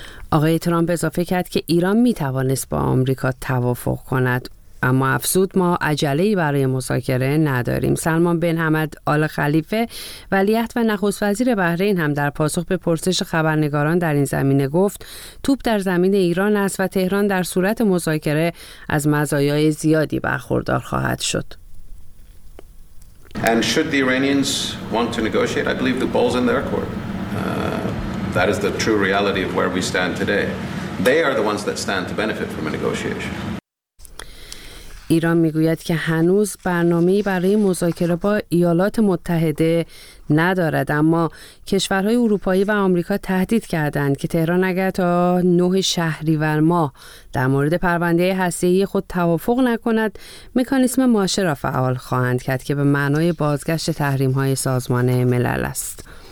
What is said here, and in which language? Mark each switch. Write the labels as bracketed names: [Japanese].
[Persian] آقای ترامپ اضافه کرد که ایران می‌توانست با آمریکا توافق کند، اما افزود ما عجله‌ای برای مذاکره نداریم. سلمان بن حمد آل خلیفه ولیعهد و نخست وزیر بحرین هم در پاسخ به پرسش خبرنگاران در این زمینه گفت توپ در زمین ایران است و تهران در صورت مذاکره از مزایای زیادی برخوردار خواهد شد. [English] And should the Iranians want to negotiate, I believe the ball's in their court. That is the true reality of where we stand today. They are the ones that stand to benefit from a negotiation. [Persian] ایران میگوید که هنوز برنامه‌ای برای مذاکره با ایالات متحده ندارد، اما کشورهای اروپایی و آمریکا تهدید کردند که تهران اگر تا 9 شهریور ماه در مورد پرونده هسته‌ای خود توافق نکند، مکانیسم ماشه را فعال خواهند کرد که به معنای بازگشت تحریم‌های سازمان ملل است.